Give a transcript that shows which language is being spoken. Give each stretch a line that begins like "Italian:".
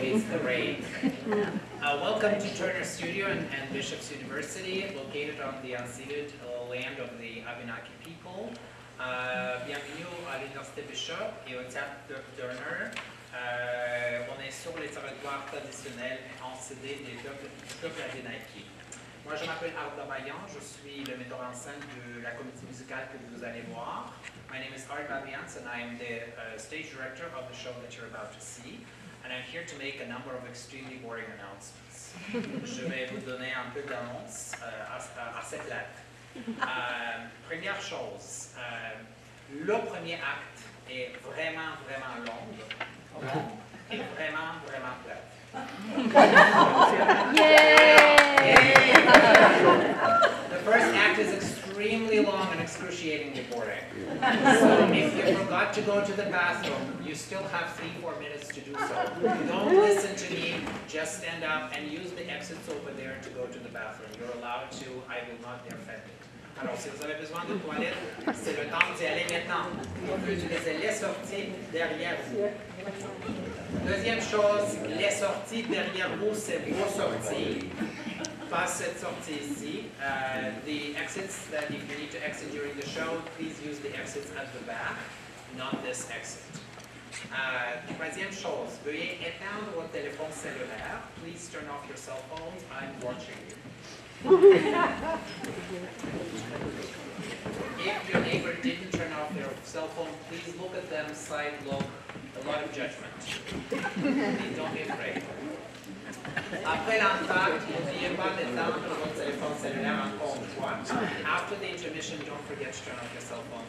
English: Welcome to Turner Studio and Bishop's University, located on the unceded land of the Abenaki people.
French: Bienvenue à l'Université Bishop et au Théâtre Turner. On est sur les territoires traditionnels et encédés des peuples Abenaki. Moi, je m'appelle Art Babayants, je suis le metteur en scène de la comédie musicale que vous allez voir.
English: My name is Art Babayants and I am the stage director of the show that you're about to see. And I'm here to make a number of extremely boring announcements.
French: Je vais vous donner un peu d'annonce à cette lettre. Première chose, le premier acte est vraiment, vraiment long. Et vraiment, vraiment plat. Yay!
English: The first act is extremely long and excruciatingly boring. So if you forgot to go to the bathroom, you still have 3-4 minutes to do so. Don't listen to me, just stand up and use the exits over there to go to the bathroom. You're allowed to, I will not be offended.
French: Alors, si vous avez besoin de toilettes, c'est le temps d'y aller maintenant. Au lieu de les sorties derrière vous. Deuxième chose, les sorties derrière vous, c'est vos sorties. Pas cette sortie ici.
English: The exits that if you need to exit during the show, please use the exits at the back, not this exit. Troisième chose, veuillez éteindre votre téléphone cellulaire. Please turn off your cell phones. I'm watching you. If your neighbor didn't turn off their cell phone, please look at them, side look, a lot of judgment. Please don't be afraid.
French: Après l'entracte, n'oubliez pas d'éteindre votre téléphone cellulaire encore une fois.
English: After the intermission, don't forget to turn off your cell phone.